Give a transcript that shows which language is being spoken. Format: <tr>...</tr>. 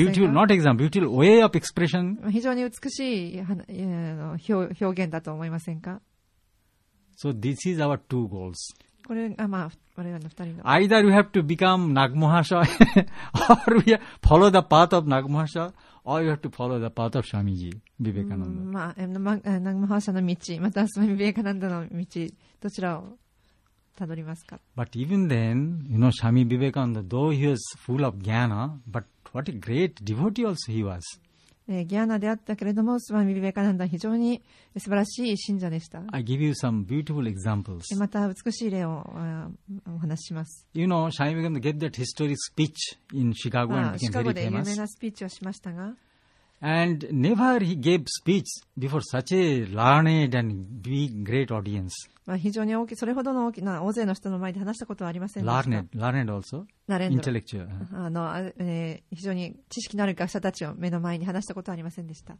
<en>I should say beautiful, not example, beautiful way of expression.</en> <ja>非常に美しい表現だと思いませんか?</ja> <en>So this is our two goals.</en> <ja>これがまあ我々の二人の。</ja> <en>Either you have to become Nagmohanswar, or we follow the path of Nagmohanswar, or you have to follow the path of Swamiji Vivekananda.</en> <ja>まあ Nagmohanswar の道、またスワミ・ビベカナンダの道、どちらを。</ja> <en>But even then, you know, Swami Vivekananda, though he was full of jnana, but what a great devotee also he was.</en> <ja>Jnana であったけれども、スワミ・ビベカナンダ非常に素晴らしい信者でした。</ja> <en>I give you some beautiful examples.</en> <ja>また美しい例をお話しします。</ja> <en>You know, Swami Vivekananda gave that historic speech in Chicago and became very famous.</en> <ja>シカゴで有名なスピーチをしましたが。</ja> <en>And never he gave speech before such a learned and big, great audience.</en> <ja>まあ非常に大きい、それほどの大きな大勢の人の前で話したことはありませんでした。</ja> <en>Learned also. Intellectual.</en> <ja>非常に知識のある学者たちを目の前に話したことはありませんでした。</ja>